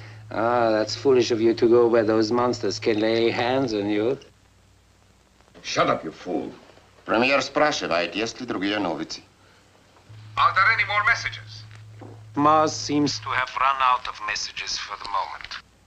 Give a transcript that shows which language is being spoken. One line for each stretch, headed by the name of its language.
English: Ah, that's foolish of you to go where those monsters can lay hands on you. Shut up, you fool.
Russian: Premier спрашивает, есть ли другие новости.
English: Are there any more messages? Mars seems to have run out of messages for the moment.